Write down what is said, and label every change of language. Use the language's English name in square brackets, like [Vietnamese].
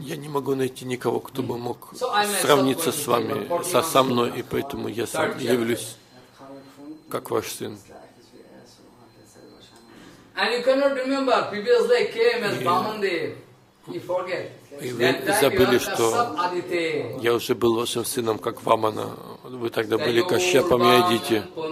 [Russian] Я не могу найти никого, кто бы мог сравниться с вами, со мной, и поэтому я сам явлюсь как ваш сын. [English] And you cannot remember previously came as Vamandev. You forget. [Russian] И вы забыли, что я уже был вашим сыном, как Вамана. Вы тогда были Кашьяпом и Адити.